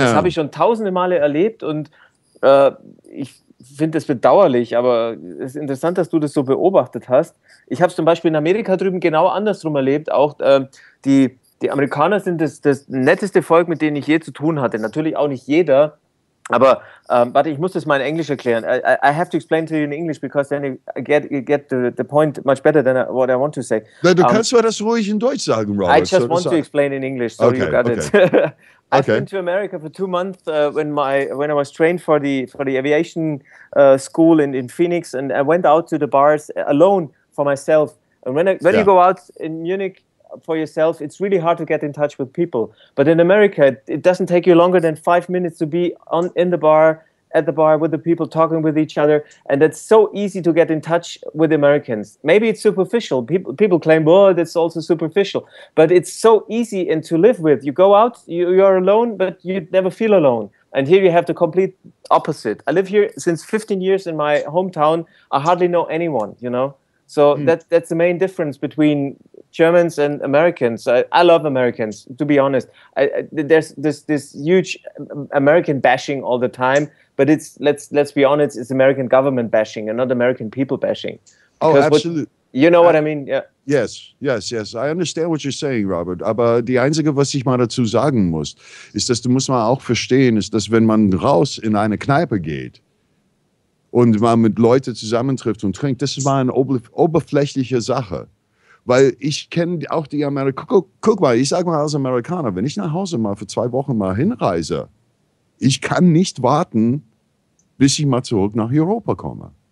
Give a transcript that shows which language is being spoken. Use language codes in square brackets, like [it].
[de] Das habe ich schon tausende Male erlebt. Und ich finde es bedauerlich, aber es ist interessant, dass du das so beobachtet hast. Ich habe es zum Beispiel in Amerika drüben genau andersrum erlebt. Auch die Amerikaner sind das netteste Volk, mit denen ich je zu tun hatte. Natürlich auch nicht jeder, aber warte, ich muss das mal in Englisch erklären. [en] I have to explain to you in English, because then you get the point much better than what I want to say. [de] Na, du kannst mal das ruhig in Deutsch sagen, Robert. [en] I just want to explain in English, so okay, you got okay. it. I've been to America for 2 months when I was trained for the aviation school in Phoenix, and I went out to the bars alone for myself. And when you go out in Munich for yourself, it's really hard to get in touch with people. But in America, it doesn't take you longer than 5 minutes to be at the bar with the people, talking with each other, and it's so easy to get in touch with Americans. Maybe it's superficial. People claim, well, it's also superficial. But it's so easy and to live with. You go out, you're alone, but you never feel alone. And here you have the complete opposite. I live here since 15 years in my hometown. I hardly know anyone, you know? So that's the main difference between Germans and Americans. I love Americans, to be honest. There's this huge American bashing all the time. But it's let's be honest, it's American government bashing and not American people bashing. Because oh, absolutely. You know what I mean? Yeah. Yes. I understand what you're saying, Robert. [de] Aber die Einzige, was ich mal dazu sagen muss, ist, dass du musst mal auch verstehen, ist, dass wenn man raus in eine Kneipe geht und man mit Leuten zusammentrifft und trinkt, das ist mal eine oberflächliche Sache. Weil ich kenne auch die Amerikaner. Guck mal, ich sage mal als Amerikaner, wenn ich nach Hause mal für 2 Wochen mal hinreise, ich kann nicht warten, bis ich mal zurück nach Europa komme.